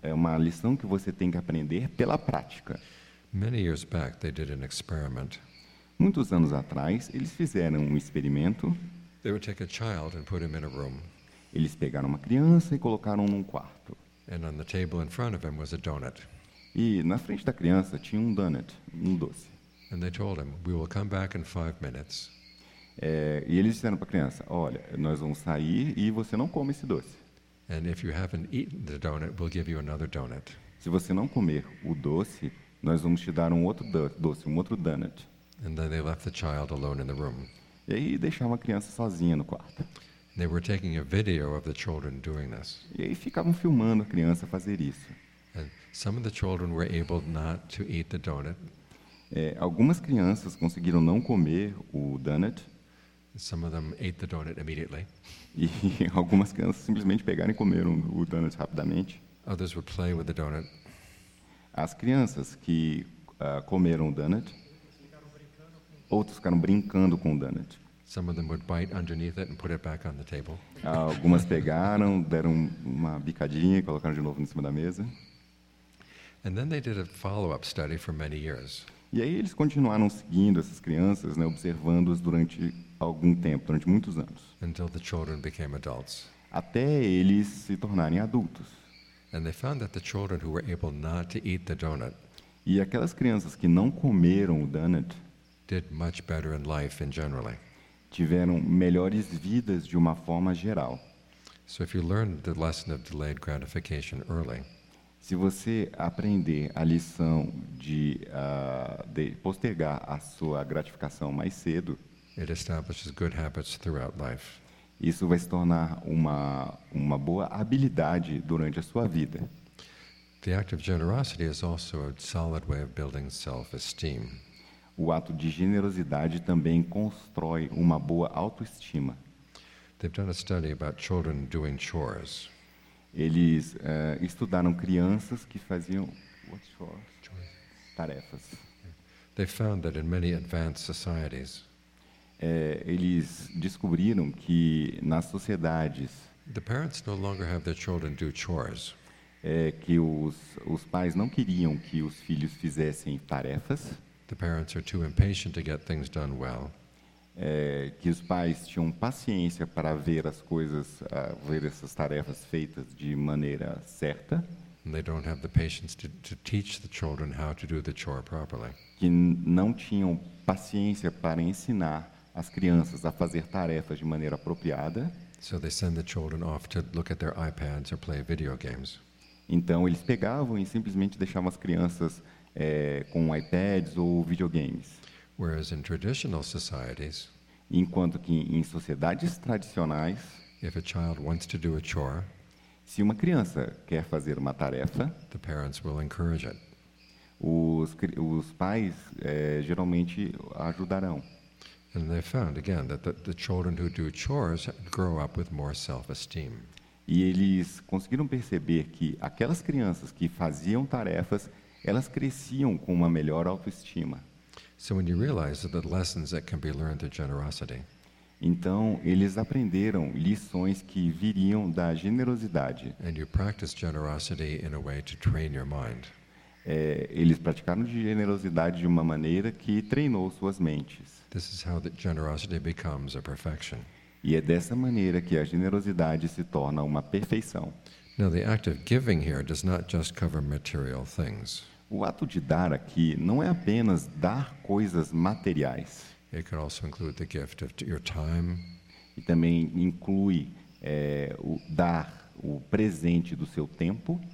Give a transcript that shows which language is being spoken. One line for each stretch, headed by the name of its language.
Portuguese: É uma lição que você tem que aprender pela prática.
English: Many years back, they did an experiment.
Portuguese: Muitos anos atrás, eles fizeram um experimento.
English: They would take a child and put him in a room.
Portuguese: Eles pegaram uma criança e colocaram num quarto.
English: And on the table in front of him was a donut.
Portuguese: E na frente da criança tinha um donut, um doce.
English: And they told him, "We will come back in 5 minutes."
Portuguese: E eles disseram para a criança, olha, nós vamos sair e você não come esse doce.
English: And if you haven't eaten the donut, we'll give you another donut.
Portuguese: Se você não comer o doce, nós vamos te dar um outro doce, um outro donut.
English: And then they left the child alone in the room.
Portuguese: E aí deixaram a criança sozinha no quarto.
English: They were taking a video of the children doing this.
Portuguese: E aí ficavam filmando a criança fazer isso.
English: And some of the children were able not to eat the donut.
Portuguese: Algumas crianças conseguiram não comer o donut.
English: Some of them ate the donut immediately.
Portuguese: E algumas crianças simplesmente pegaram e comeram o donut rapidamente.
English: Others would play with the donut.
Portuguese: As crianças que comeram o donut, outros ficaram brincando com o donut.
English: Some of them would bite underneath it and put it back on the table.
Portuguese: Algumas pegaram, deram uma bicadinha e colocaram de novo em cima da mesa.
English: And then they did a follow-up study for many years.
Portuguese: E aí eles continuaram seguindo essas crianças, né, observando-as durante algum tempo, durante muitos anos.
English: Until the children became adults.
Portuguese: Até eles se tornarem adultos.
English: And they found that the children who were able not to eat the donut.
Portuguese: E aquelas crianças que não comeram o donut
English: did much better in life in generally.
Portuguese: Tiveram melhores vidas de uma forma geral.
English: So if you learn the lesson of delayed gratification early,
Portuguese: se você aprender a lição de postergar a sua gratificação mais cedo,
English: it establishes good habits throughout life.
Portuguese: Isso vai se tornar uma boa habilidade durante a sua vida.
English: The act of generosity is also a solid way of building self-esteem.
Portuguese: O ato de generosidade também constrói uma boa autoestima.
English: They've done a study about children doing chores.
Portuguese: Eles estudaram crianças que faziam
English: what chores? Chores.
Portuguese: Tarefas.
English: They found that in many advanced societies,
Portuguese: Eles descobriram que nas sociedades,
English: the parents no longer have their children do chores.
Portuguese: Que os pais não queriam que os filhos fizessem tarefas.
English: The parents are too impatient to get things done well.
Portuguese: Que os pais tinham paciência para ver as coisas, ver essas tarefas feitas de maneira certa.
English: And they don't have the patience to teach the children how to do the chore properly.
Portuguese: Que não tinham paciência para ensinar as crianças a fazer tarefas de maneira apropriada.
English: So they send the children off to look at their iPads or play video games.
Portuguese: Então eles pegavam e simplesmente deixavam as crianças com iPads ou videogames.
English: Whereas in traditional societies,
Portuguese: enquanto que em sociedades tradicionais,
English: if a child wants to do a chore,
Portuguese: se uma criança quer fazer uma tarefa,
English: the parents will encourage it.
Portuguese: Os pais geralmente ajudarão.
English: And they found again that the children who do chores grow up with more self-esteem.
Portuguese: E eles conseguiram perceber que aquelas crianças que faziam tarefas, elas cresciam com uma melhor autoestima.
English: So when you realize that the lessons that can be learned through generosity,
Portuguese: Então, eles aprenderam lições que viriam da generosidade.
English: And you practice generosity in a way to train your mind.
Portuguese: Eles praticaram de generosidade de uma maneira que treinou suas mentes.
English: This is how the generosity becomes a perfection.
Portuguese: E é dessa maneira que a generosidade se torna uma perfeição.
English: Now, the act of giving here does not just cover material things.
Portuguese: O ato de dar aqui não é apenas dar coisas materiais.
English: It can also include the gift of your time.
Portuguese: E também inclui o dar o presente do seu tempo.